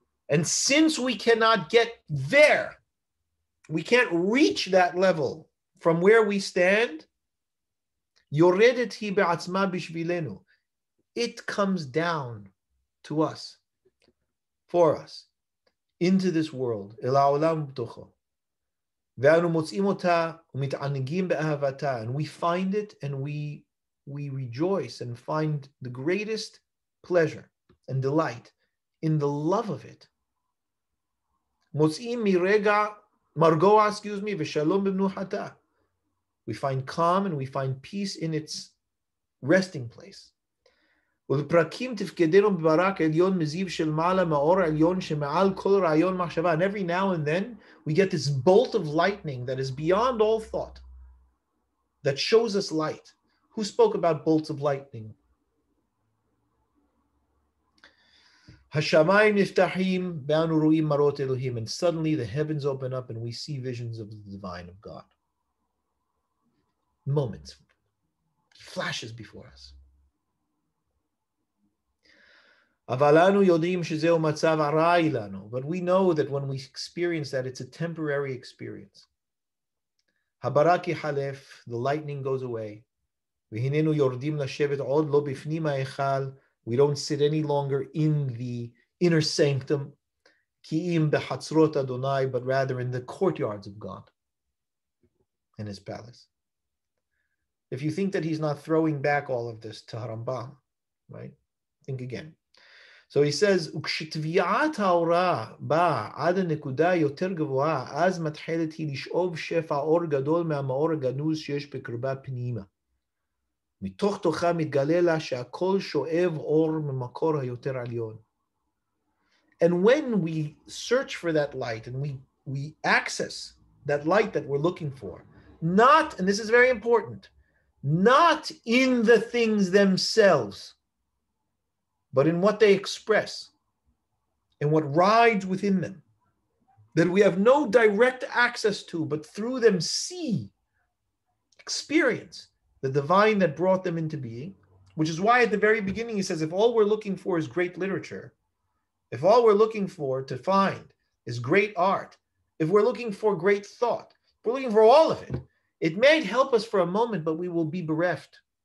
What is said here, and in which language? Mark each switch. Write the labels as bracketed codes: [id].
[en] and since we cannot get there, we can't reach that level from where we stand, [he] יורדת היא בעצמה בשבילנו, [en] it comes down to us, for us, into this world, [he] אל העולם בתוכו. ואנו מוצאים אותה ומתענגים באהבתה, [en] and we find it and we rejoice and find the greatest pleasure and delight in the love of it. [he] מוצאים מרגע מרגוע, [en] excuse me, [he] ושלום במנוחתה. [en] We find calm and we find peace in its resting place. [he] ולפרקים תפקדנו בברק עליון מזיב של מעלה מאור עליון שמעל כל רעיון מחשבה. [en] And every now and then, we get this bolt of lightning that is beyond all thought, that shows us light. Who spoke about bolts of lightning? [he] השמיים נפתחים ואנו רואים מראות אלוהים. [en] And suddenly the heavens open up and we see visions of the divine of God. Moments. Flashes before us. [he] אבל אנו יודעים שזהו מצב ארעי לנו. [en] But we know that when we experience that, it's a temporary experience. [he] הברק יחלף, [en] the lightning goes away. [he] והננו יורדים לשבת עוד לא בפנים ההיכל. [en] We don't sit any longer in the inner sanctum. [he] כי אם בחצרות אדוני, [en] but rather in the courtyards of God. In his palace. If you think that he's not throwing back all of this to Rambam, right? Think again. So he says, [he] וכשתביעת האורה באה עד הנקודה יותר גבוהה, אז מתחילת היא לשאוב שפע אור גדול מהמאור הגנוז שיש בקרבה פנימה. מתוך תוכה מתגלה לה שהכל שואב אור ממקור היותר עליון. [en] And when we search for that light, and we access that light that we're looking for, not, and this is very important, not in the things themselves, but in what they express, and what rides within them, that we have no direct access to, but through them see, experience, the divine that brought them into being, which is why at the very beginning he says, if all we're looking for is great literature, if all we're looking for to find is great art, if we're looking for great thought, if we're looking for all of it, it may help us for a moment, but we will be bereft.